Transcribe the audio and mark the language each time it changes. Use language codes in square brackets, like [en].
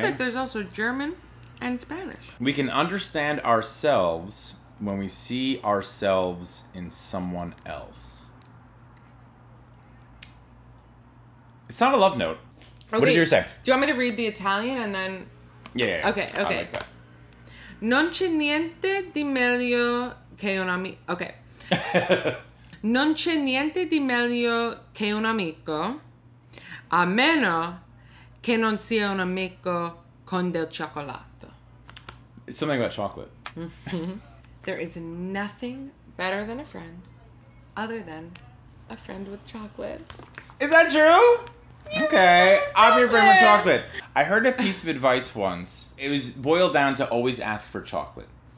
[en] Seems like there's also German and Spanish. We can understand ourselves... when we see ourselves in someone else. It's not a love note. Okay. What did you say? Do you want me to read the Italian and then... Yeah. Okay. I like that. [it] Non c'è niente di meglio che un amico... Okay. Non c'è niente di meglio che un amico, a meno che non sia un amico con del cioccolato. [en] It's something about chocolate. There is nothing better than a friend other than a friend with chocolate. Is that true? You're okay, your I'm your friend with chocolate. I heard a piece of advice once. It was boiled down to always ask for chocolate.